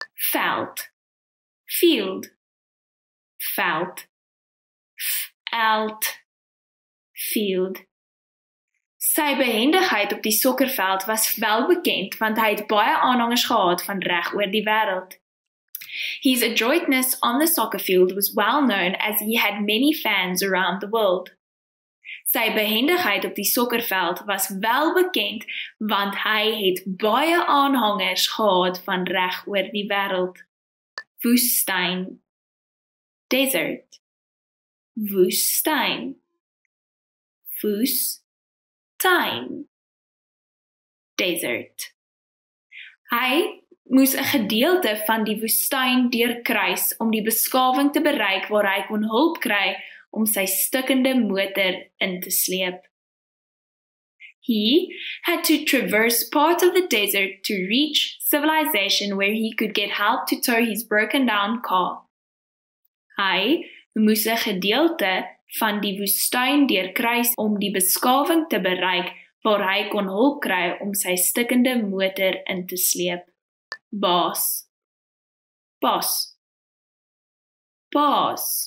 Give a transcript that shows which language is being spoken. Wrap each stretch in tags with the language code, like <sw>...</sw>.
<af>Veld. Field. Veld. Veld. Field. Sy behendigheid op die sokkerveld was wel bekend, want hy het baie aanhangers gehad van reg oor die wêreld.</af> <en>His adroitness on the soccer field was well known as he had many fans around the world.</en> <af>Sy behendigheid op die sokkerveld was wel bekend, want hy het baie aanhangers gehad van reg oor die wêreld. Woestyn. Desert. Woestyn. Woestyn. Desert. Hy moes 'n gedeelte van die woestyn deurkruis om die beskawing te bereik waar hy kon hulp kry om sy stikkende motor in te sleep.</af> <en>He had to traverse part of the desert to reach civilization where he could get help to tow his broken down car.</en> <af>Hy moes 'n gedeelte van die woestyn deurkruis om die beskawing te bereik waar hy kon hulp kry om sy stikkende motor in te sleep. Baas. Bas. Baas.</af>